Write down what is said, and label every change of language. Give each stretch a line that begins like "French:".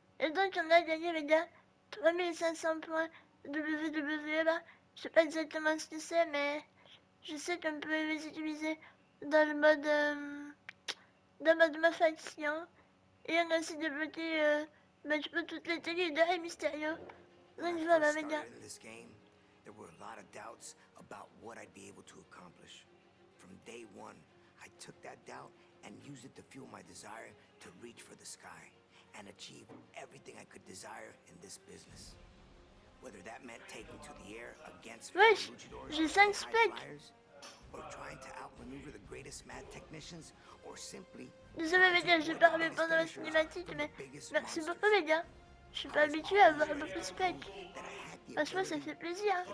French: Et donc on a gagné les gars 3500 points WWE, bah, je sais pas exactement ce que c'est mais je sais qu'on peut les utiliser dans le mode dans ma faction, et on a aussi débloqué toutes les tenues de Rey Mysterio. Donc voilà, les gars. Dans ce jeu, il y avait beaucoup de doutes sur ce que je pourrais accomplir.
English: From day one, I took that doubt and used it to fuel my desire to reach for the sky and achieve everything I could desire in this business. Whether that meant taking to the air against the luchadors or high flyers, or trying to outmaneuver the greatest mad technicians.
French: Désolé les gars, j'ai parlé pendant la cinématique, mais merci beaucoup les gars. Je suis pas habitué à avoir beaucoup de spec. Franchement, ça fait plaisir.